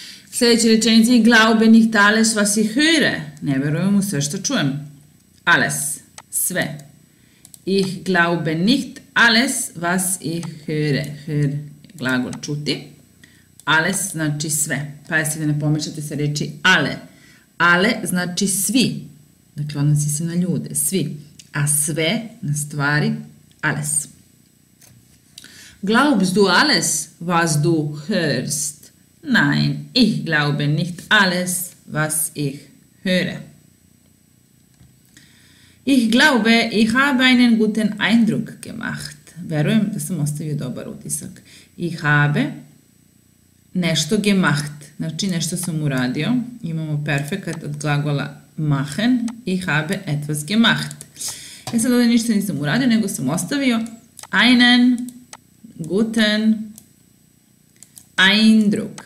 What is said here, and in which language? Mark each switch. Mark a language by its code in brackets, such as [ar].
[bs] Sljedeća rečenica je [de] glaube nicht alles was ich höre. [bs] Ne verujem u sve što čujem. Alles. Sve. [de] Ich glaube nicht alles, was ich höre. [bs] Hör, glagol čuti. Alles znači sve. Pa jesi da ne pomišljate sa riječi ale. Ale znači svi. Dakle, odnosi se na ljude. Svi. A sve na stvari alles. [de] Glaubst du alles, was du hörst? Nein, ich glaube nicht alles, was ich höre. Ich glaube, ich habe einen guten Eindruck gemacht. [bs] Verujem da sam ostavio dobar utisak. [de] Ich habe [bs] nešto [de] gemacht. [bs] Znači, nešto sam uradio. Imamo perfekat od glagola machen. [de] Ich habe etwas gemacht. [bs] Ja sad ovdje ništa nisam uradio, nego sam ostavio [de] einen guten Eindruck.